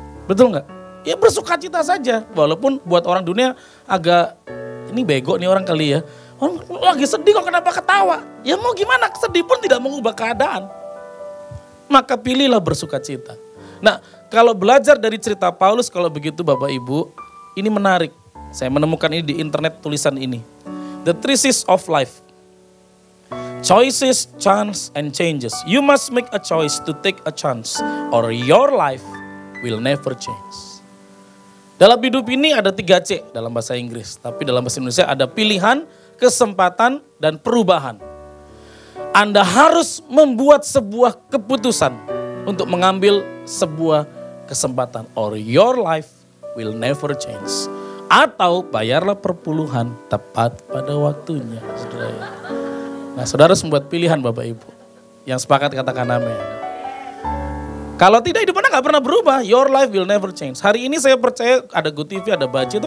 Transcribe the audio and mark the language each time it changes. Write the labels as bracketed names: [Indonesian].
[Indonesian] Betul gak? Ya bersuka cita saja. Walaupun buat orang dunia agak, ini bego nih orang kali ya. Orang lagi sedih kok kenapa ketawa? Ya mau gimana? Sedih pun tidak mengubah keadaan. Maka pilihlah bersuka cita. Nah, kalau belajar dari cerita Paulus, kalau begitu Bapak Ibu, ini menarik. Saya menemukan ini di internet tulisan ini. [English] The Thesis of Life. Choices, chance, and changes. You must make a choice to take a chance or your life will never change. [Indonesian] Dalam hidup ini ada 3C dalam bahasa Inggris. Tapi dalam bahasa Indonesia ada pilihan, kesempatan, dan perubahan. Anda harus membuat sebuah keputusan untuk mengambil sebuah kesempatan. [English] Or your life will never change. [Indonesian] Atau bayarlah perpuluhan tepat pada waktunya. Nah, saudara harus membuat pilihan Bapak Ibu. Yang sepakat katakan amin. Kalau tidak, hidup Anda gak pernah berubah. [English] Your life will never change. [Indonesian] Hari ini saya percaya ada Good TV, ada Baji.